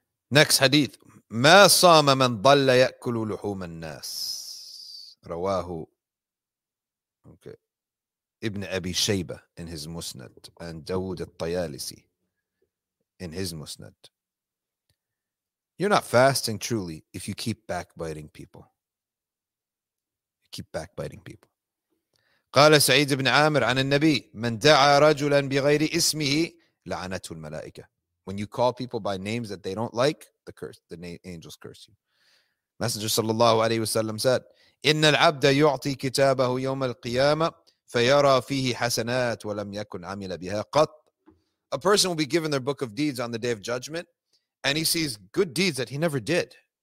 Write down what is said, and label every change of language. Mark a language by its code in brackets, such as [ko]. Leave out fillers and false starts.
[en] Next hadith. [ar] ما صام من ضل يأكل لحوم الناس رواه ابن أبي شيبة [en] in his Musnad and [ar] داود الطيالسي [en] in his Musnad. You're not fasting truly if you keep backbiting people. [ar] قال سعيد بن عامر عن النبي من دعا رجلا بغير اسمه لعنته الملائكة. [en] When you call people by names that they don't like, angels curse you. Messenger sallallahu alayhi wa sallam said, [ar] إِنَّ الْعَبْدَ يُعْطِي كِتَابَهُ يَوْمَ الْقِيَامَةِ فَيَرَى فِيهِ حَسَنَاتِ وَلَمْ يَكُنْ عَمِلَ بِهَا قَطْ. [en] A person will be given their book of deeds on the day of judgment, and he sees good deeds that he never did.